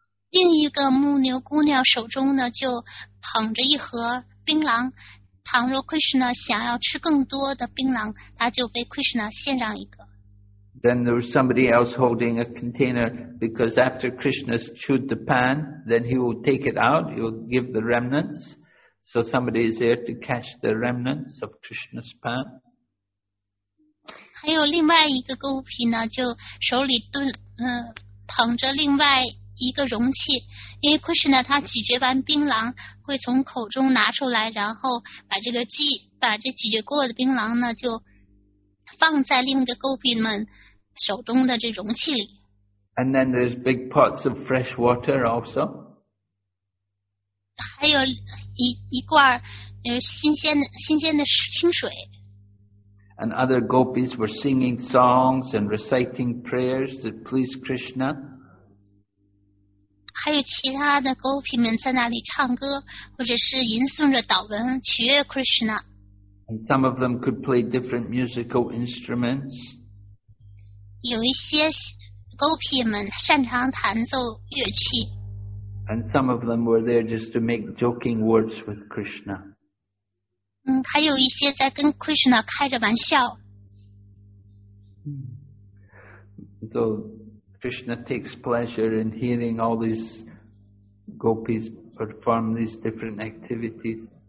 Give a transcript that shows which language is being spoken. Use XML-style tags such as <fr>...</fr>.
<zh>另一个牧牛姑娘手中呢就捧着一盒槟榔，倘若 Krishna 想要吃更多的槟榔，她就被 Krishna 献上一个。</zh> <en>Then there was somebody else holding a container because after Krishna chewed the pan, then he will take it out, he will give the remnants. So somebody is there to catch the remnants of Krishna's pan.</en> <zh>还有另外一个勾皮呢，就手里捧着另外一个容器，因为 Krishna 他咀嚼完槟榔会从口中拿出来，然后把这咀嚼过的槟榔呢就放在另一个 gopi 们手中的这容器里。</zh> <en>And then there's big pots of fresh water also.</en> <zh>还有一罐新鲜的清水。</zh> <en>And other gopis were singing songs and reciting prayers that pleased Krishna.</en> <zh>还有其他的勾皮们在那里唱歌，或者是吟诵着祷文，取悦 Krishna。</zh> <en>And some of them could play different musical instruments.</en> <zh>有一些勾皮们擅长弹奏乐器。</zh> <en>And some of them were there just to make joking words with Krishna.</en> <zh>还有一些在跟 Krishna 开着玩笑。</zh> <en>So Krishna takes pleasure in hearing all these gopis perform these different activities.</en>